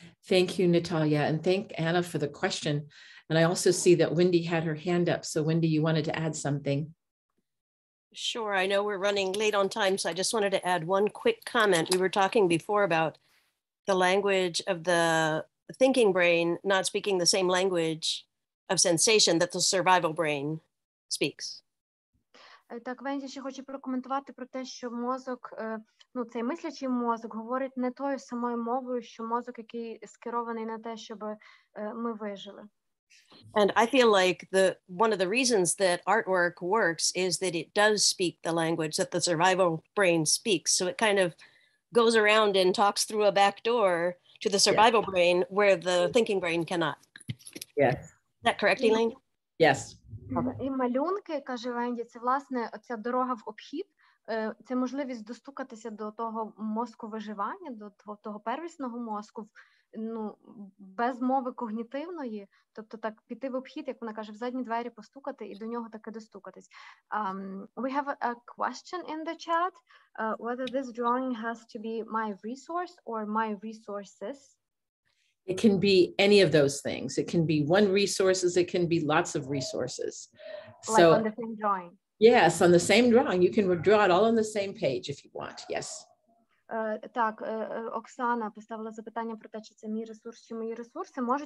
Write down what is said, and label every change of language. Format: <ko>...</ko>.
<en>Thank you, Natalia, and thank Anna for the question. And I also see that Wendy had her hand up. So, Wendy, you wanted to add something. Sure. I know we're running late on time, so I just wanted to add one quick comment. We were talking before about the language of the thinking brain not speaking the same language of sensation that the survival brain speaks.</en> <uk>Так, Венді ще хоче прокоментувати про те, що мозок, ну, цей мислячий мозок говорить не тою самою мовою, що мозок, який скерований на те, щоб ми вижили.</uk> <en>And I feel like the one of the reasons that artwork works is that it does speak the language that the survival brain speaks. So it kind of goes around and talks through a back door to the survival brain where the thinking brain cannot. Yes. Is that correct, Elaine? Yes.</en> <uk>І малюнки, каже Венді, це власне оця дорога в обхід. Це можливість достукатися до того мозку виживання, до того первісного мозку, ну, без мови когнітивної, тобто так піти в обхід, як вона каже, в задні двері постукати і до нього таки достукатись.</uk> <en>We have a question in the chat, whether this drawing has to be my resource or my resources. It can be any of those things. It can be one resources, it can be lots of resources. Like so, on the same drawing. Yes, on the same drawing. You can draw it all on the same page if you want, yes.</en> <uk>Так, Оксана поставила запитання про те, чи це мій ресурс, чи мої ресурси.</uk>